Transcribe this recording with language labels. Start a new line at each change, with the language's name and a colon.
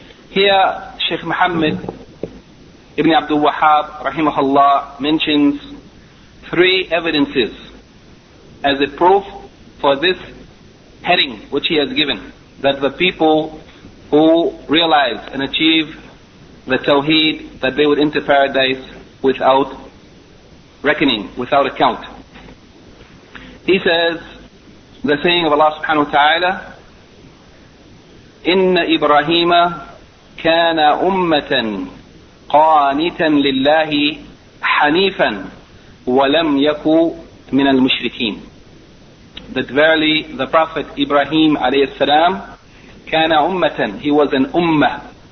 English: Here, Sheikh Muhammad Ibn Abdul Wahhab, rahimahullah, mentions three evidences as a proof for this heading which he has given, that the people who realize and achieve the Tawheed, that they would enter paradise without reckoning, without account. He says, the saying of Allah subhanahu wa ta'ala,
Arabic: إِنَّ إِبْرَاهِيمَ كَانَ أُمَّةً قَانِتًا لِلَّهِ حَنِيفًا وَلَمْ يَكُوا مِنَ الْمُشْرِكِينَ.
English: That verily the Prophet Ibrahim alayhi salam,
Arabic: كَانَ أُمَّةً,
English: he was an ummah.